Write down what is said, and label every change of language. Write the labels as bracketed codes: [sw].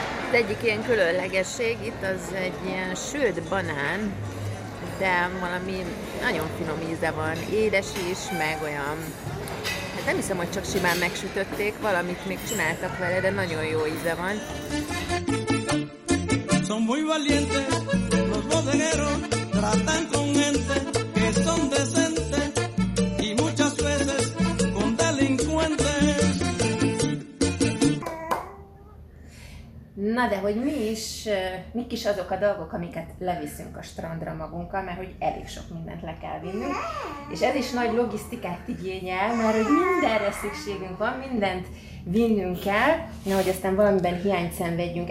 [hu] Az egyik ilyen különlegesség, itt az egy ilyen sült banán, de valami nagyon finom íze van, édes is, meg olyan... Hát nem hiszem, hogy csak simán megsütötték, valamit még csináltak vele, de nagyon jó íze van. [es] Son muy valientes, los bodegueros tratan con gente que son decente y muchas veces con delincuentes. [hu] Na de hogy mi is, mik is azok a dolgok, amiket leviszünk a strandra magunkkal, mert hogy elég sok mindent le kell vinnünk. És ez is nagy logisztikát igényel, mert hogy mindenre szükségünk van, mindent vinnünk kell, nehogy aztán valamiben hiányt szenvedjünk.